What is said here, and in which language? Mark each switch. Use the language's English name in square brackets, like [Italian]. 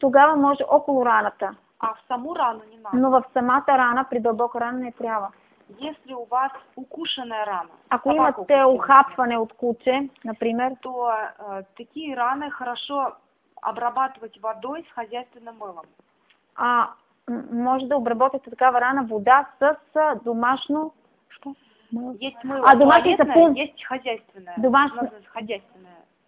[Bulgarian] Тогава може около раната. [Russian] А в саму рану не надо. [Bulgarian] Но в самата рана, при дълбока рана не трябва. [Russian] Если у вас укушенная рана, [Bulgarian] ако имате ухапване от куче, например, [Russian] то такие раны хорошо обрабатывать водой с хозяйственным мылом. [Bulgarian] А може да обработите такава рана вода с домашно... [Russian] Что? Есть мыло туалетное, сапун... есть хозяйственное. Хозяйственное.